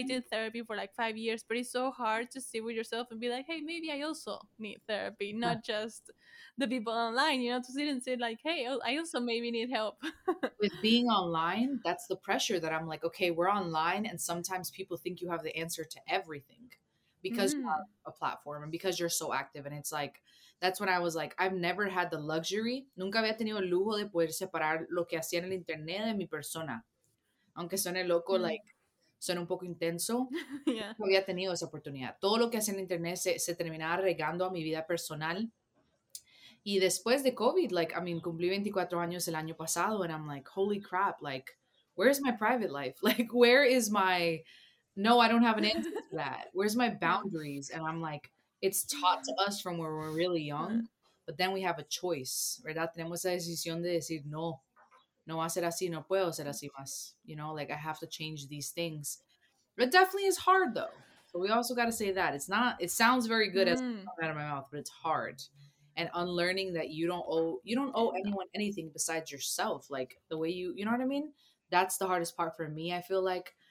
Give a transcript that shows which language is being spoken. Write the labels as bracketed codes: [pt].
[en] I did therapy for like 5 years, but it's so hard to sit with yourself and be like, hey, maybe I also need therapy, not just the people online, you know, to sit and say like, hey, I also maybe need help. With being online, that's the pressure that I'm like, okay, we're online. And sometimes people think you have the answer to everything because you have a platform and because you're so active. And it's like, that's when I was like, I've never had the luxury. [es] Nunca había tenido el lujo de poder separar lo que hacía en el internet de mi persona. Aunque suene loco, like, suene un poco intenso. [en] Yeah. [es] No había tenido esa oportunidad. Todo lo que hacía en internet se terminaba regando a mi vida personal. Y después de COVID, [en] like, I mean, [es] cumplí 24 años el año pasado. [en] And I'm like, holy crap, like, where is my private life? Like, where is my, no, I don't have an answer to that. Where's my boundaries? And I'm like, it's taught to us from when we're really young, but then we have a choice, ¿verdad? [es] Tenemos la decisión de decir, no, no va a ser así, no puedo ser así más. [en] You know, like, I have to change these things. It definitely is hard, though. But we also got to say that. It's not, it sounds very good as coming out of my mouth, but it's hard. And unlearning that you don't owe anyone anything besides yourself. Like, the way you know what I mean? That's the hardest part for me, I feel like.